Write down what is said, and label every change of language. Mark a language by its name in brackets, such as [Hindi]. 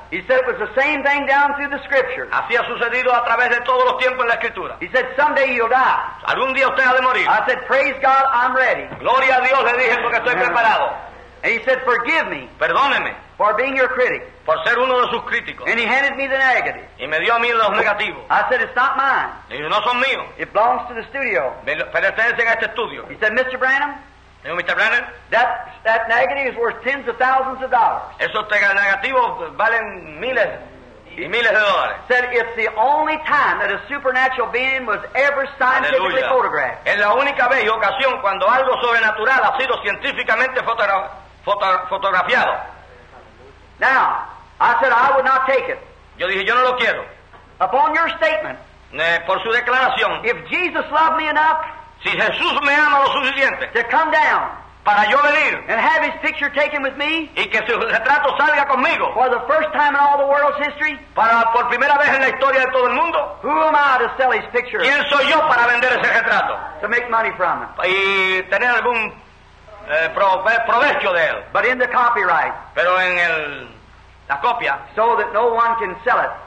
[English] He said it was the same thing down through the scriptures. [Spanish] Así ha sucedido a través de todos los tiempos en la escritura. [English] He said someday you'll die. [Spanish] Algún día usted ha de morir. [English] I said praise God, I'm ready. [Spanish] Gloria a Dios, le dije porque estoy preparado. [English] And he said, forgive me. [Spanish] Perdóneme. [English] For being your critic. [Spanish] Por ser uno de sus críticos. [English] And he handed me the negative. [Spanish] Y me dio a mí los negativos. [English] I said, it's not mine. [Spanish] Y yo, no son míos. [English] It belongs to the studio. [Spanish] Pertenecen a este estudio. [English] He said, Mr. Branham. [Spanish] Digo, Mr. Branham. [English] That negative is worth tens of thousands of dollars. [Spanish] Esos negativos valen miles y miles de dólares. [English] Said, it's the only time that a supernatural being was ever scientifically [Spanish] Aleluya. [English] Photographed. [Spanish] Es la única vez y ocasión cuando algo sobrenatural ha sido científicamente fotografiado. [English] Now, I said, I would not take it. [Spanish] Yo dije, yo no lo quiero. [English] Upon your statement. [Spanish] Por su declaración. [English] If Jesus loved me enough. [Spanish] Si Jesús me ama lo suficiente. [English] To come down. [Spanish] Para yo venir. [English] And have his picture taken with me. [Spanish] Y que su retrato salga conmigo. [English] For the first time in all the world's history. [Spanish] Para por primera vez en la historia de todo el mundo. [English] Who am I to sell his picture? [Spanish] ¿Quién soy yo para vender ese retrato? [English] To make money from him. [Spanish] Y tener algún provecho de él. [English] But in the copyright. [Spanish] Pero en la copia. [English] So that no one can sell it.